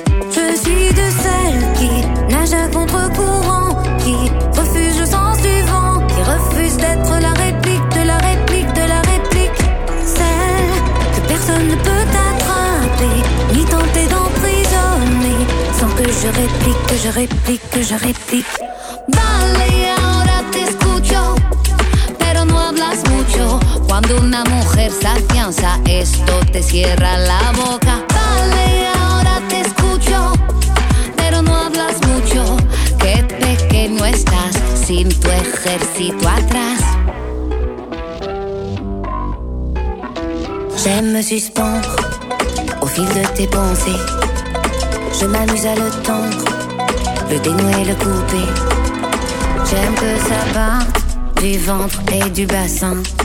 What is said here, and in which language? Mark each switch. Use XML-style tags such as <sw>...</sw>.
<fr>Je suis de celles qui nagent à contre-courant, qui refuse le sens du vent, qui refuse d'être la réplique de la réplique de la réplique. Celle que personne ne peut attraper, ni tenter d'emprisonner, sans que je réplique, que je réplique, que je réplique.</fr> <es>Vale, ahora te escucho, pero no hablas mucho. Cuando una mujer se afianza, esto te cierra la boca. Vale, ahora te escucho, pero no hablas mucho. Qué pequeño estás sin tu ejército atrás.</es> <fr>J'aime me suspendre au fil de tes pensées. Je m'amuse à le tendre, le dénouer, le couper. J'aime que ça part du ventre et du bassin.</fr>